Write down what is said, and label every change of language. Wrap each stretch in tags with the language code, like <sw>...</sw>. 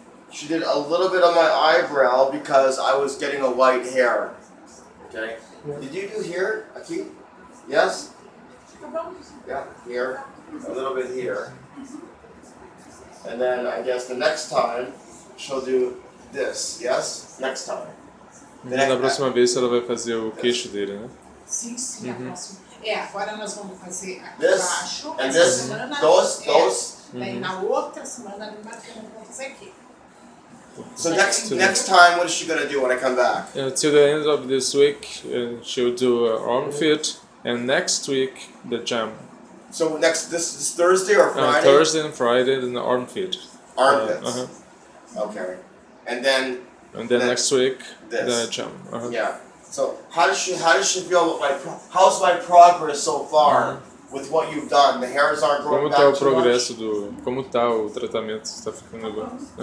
<en>She did a little bit on my eyebrow because I was getting a white hair. Okay? Yeah. Did you do here, Aki? Yes? Yeah, here. A little bit here. And then I guess the next time she'll do this, yes? Next time.</en> <pt>Na próxima vez ela vai fazer o queixo dele, né? Sim, sim, a próxima. É, agora nós vamos fazer aqui embaixo. Essa semana. Dois. Na outra semana ali embaixo nós vamos fazer aqui.</pt> <en>So next time, what is she gonna do when I come back? Till the end of this week, she'll do arm fit, and next week the jam. So next this Thursday or Friday? Thursday and Friday, then the arm fit. Armpits. Okay. And then next week this. The jam. Yeah. So how does she feel with how's my progress so far with what you've done? The hairs aren't growing.</en> <pt>Como está o progresso do como está o tratamento está ficando agora?</pt>